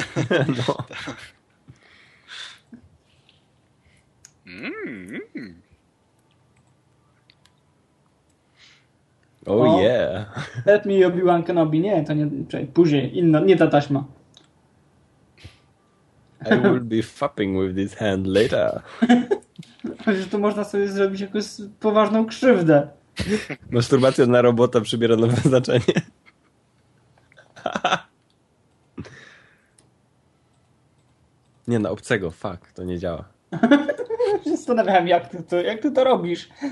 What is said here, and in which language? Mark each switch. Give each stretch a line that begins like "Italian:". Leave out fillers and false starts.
English: No. Oh yeah. Let me Obi-Wan Kenobi.
Polish: Nie, to nie. Później, inna, nie ta taśma.
English: I will be fapping with this hand later.
Polish: Że to można sobie zrobić jakąś poważną krzywdę. Masturbacja na robota przybiera nowe znaczenie. Nie, na obcego, fuck, to nie działa. Zastanawiałem, jak ty to robisz.